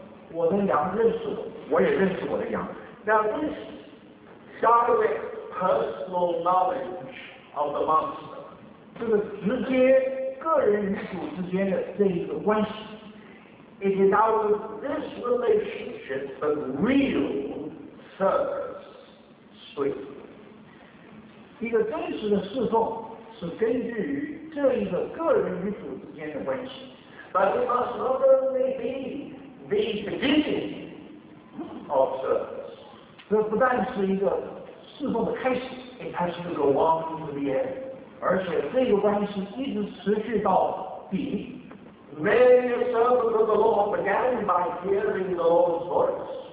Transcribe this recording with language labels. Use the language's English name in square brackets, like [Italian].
[Chinese] 十四节，耶稣说，我是好牧人，我的羊认识我，我也认识我的羊。 [English] Now this direct personal knowledge of the master, [Chinese] 这个直接个人与主之间的这一个关系, [English] it is out of this relationship that real service springs. [Chinese] 一个真实的侍奉是根据于这一个个人与主之间的关系. [English] But it must not only be the beginning of service. [Chinese] 这不但是一个侍奉的开始， [English] it has to go on to the end， [Chinese] 而且这个关系一直持续到底。 [English] Many servants of the Lord began by hearing the Lord's voice，